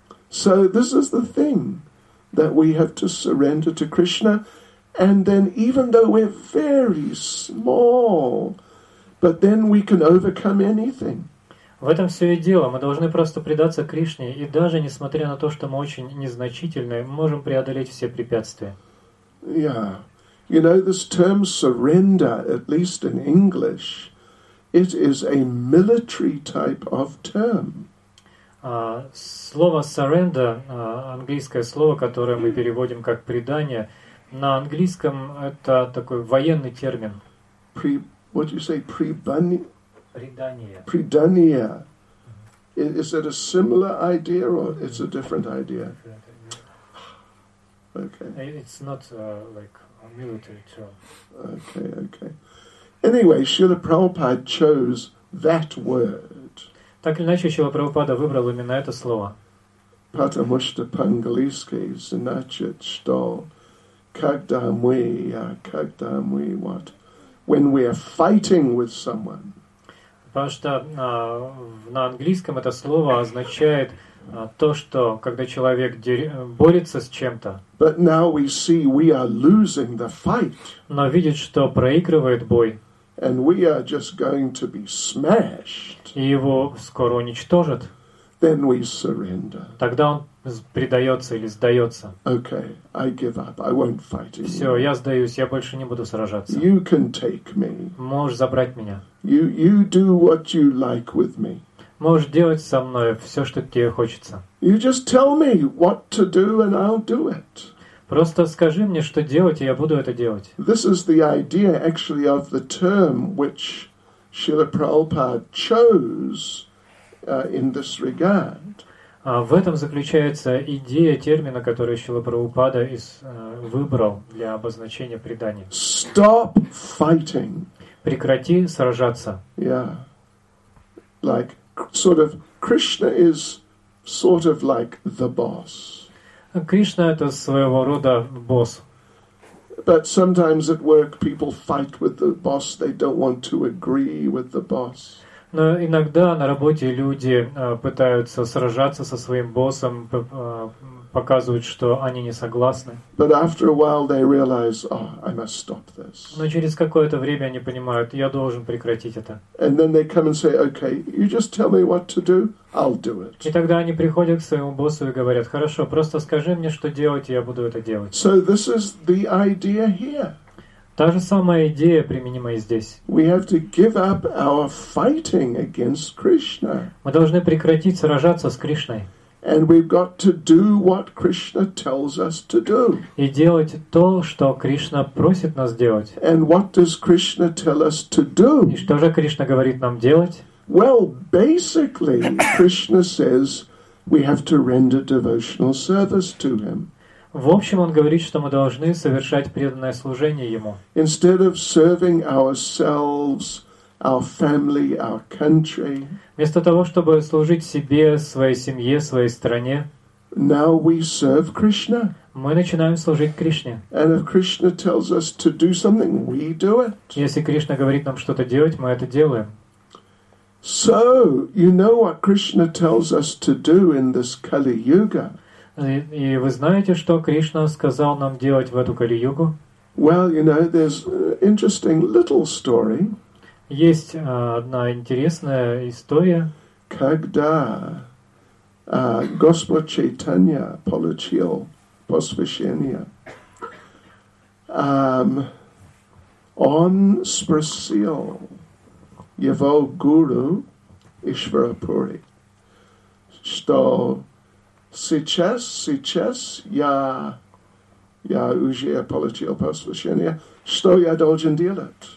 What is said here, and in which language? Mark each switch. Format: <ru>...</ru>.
<en>So this is the thing that we have to surrender to Krishna, and then even though we're very small, but then we can overcome anything.</en> <ru>В этом все и дело. Мы должны просто предаться Кришне, и даже несмотря на то, что мы очень незначительные, мы можем преодолеть все препятствия.</ru> <en>Yeah. You know, this term surrender, at least in English, it is a military type of term.</en> <ru>Слово surrender, английское слово, которое мы переводим как предание, на английском это такой военный термин.</ru> <en>What do you say? Pre-bunny?</en> <ru>Предание.</ru> <en>Is it a similar idea or it's a different idea? Okay. It's not like a military term. Okay. Anyway, Srila Prabhupada chose that word. Так или иначе, Srila Prabhupada выбрал именно это слово.</en> <ru>Потому что по-английски значит, что когда мы,</ru> <en>what? When we are fighting with someone.</en> <ru>Потому что на английском это слово означает то, что когда человек борется с чем-то.</ru> <en>But now we see we are losing the fight.</en> <ru>Но видит, что проигрывает бой.</ru> <en>And we are just going to be smashed.</en> <ru>И его скоро уничтожат.</ru> <en>Then we surrender.</en> <ru>Тогда он предается или сдается.</ru> <en>Okay, I give up. I won't fight anymore.</en> <ru>Все, я сдаюсь, я больше не буду сражаться.</ru> <en>You can take me.</en> <ru>Можешь забрать меня.</ru> <en>You do what you like with me.</en> <ru>Можешь делать со мной все, что тебе хочется.</ru> <en>You just tell me what to do and I'll do it.</en> <ru>Просто скажи мне, что делать, и я буду это делать.</ru> <en>This is the idea actually of the term which Srila Prabhupada chose in this regard.</en> <ru>В этом заключается идея термина, который Шрила Прабхупада выбрал для обозначения предания.</ru> <en>Stop fighting.</en> <ru>Прекрати сражаться.</ru> <en>Yeah. Like sort of Krishna is sort of like the boss.</en> <ru>Кришна — это своего рода босс.</ru> <en>But sometimes at work people fight with the boss. They don't want to agree with the boss.</en> <ru>Но иногда на работе люди пытаются сражаться со своим боссом, показывают, что они не согласны.</ru> <en>But after a while they realize, oh, I must stop this.</en> <ru>Но через какое-то время они понимают, я должен прекратить это.</ru> <en>And then they come and say, okay, you just tell me what to do, I'll do it.</en> <ru>И тогда они приходят к своему боссу и говорят, хорошо, просто скажи мне, что делать, и я буду это делать.</ru> <en>So this is the idea here.</en> <ru>Та же самая идея применима и здесь.</ru> <en>We have to give up our fighting against Krishna.</en> <ru>Мы должны прекратить сражаться с Кришной.</ru> <en>And we've got to do what Krishna tells us to do.</en> <ru>И делать то, что Кришна просит нас делать.</ru> <en>And what does Krishna tell us to do?</en> <ru>И что же Кришна говорит нам делать?</ru> <en>Well, basically, Krishna says we have to render devotional service to him.</en> <ru>В общем, он говорит, что мы должны совершать преданное служение ему.</ru> <en>Instead of serving ourselves, our family, our country.</en> <ru>Вместо того, чтобы служить себе, своей семье, своей стране.</ru> <en>Now we serve Krishna.</en> <ru>Мы начинаем служить Кришне.</ru> <en>And if Krishna tells us to do something, we do it.</en> <ru>Если Кришна говорит нам что-то делать, мы это делаем.</ru> <en>So, you know what Krishna tells us to do in this Kali Yuga.</en> <ru>И вы знаете, что Кришна сказал нам делать в эту Кали-югу?</ru> <en>Well, you know, there's interesting little story.</en> <ru>Есть одна интересная история. Когда Господь Чайтанья получил посвящение, он спросил его гуру Ишварапури, что сейчас я уже получил посвящение, что я должен делать?</ru>